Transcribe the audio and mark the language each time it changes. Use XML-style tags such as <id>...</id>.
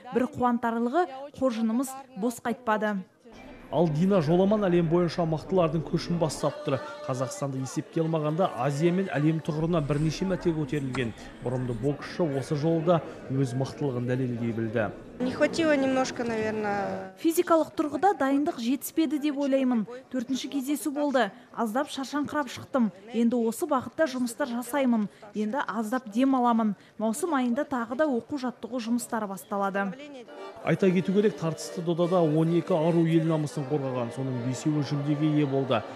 <kk>Бір қуантарлығы қоржынымыз бос қайтпады. Ал Дина Жоламан әлем бойынша мықтылардың көшін бастап тұр. Қазақстанды есепке алмағанда Азия мен әлем тұғырына бірнеше мәрте көтерілген. Бұрынды боксшы осы жолда өз мықтылығын дәлелдей білді.</kk> <ru>Не хватило немножко, наверное.</ru> <kk>Физикалық тұрғыда дайындық жетіспеді деп ойлаймын. Төртінші кездесу болды. Аздап шаршаңқырап шықтым. Енді осы бағытта жұмыстар жасаймын. Енді аздап дем аламын. Маусым айында тағы да оқу-жаттығу жұмыстары басталады. Айта кету керек, тартысты додада 12 ару ел намысын қорғаған, соның 5-еуі жүлдеге ие болды.</kk>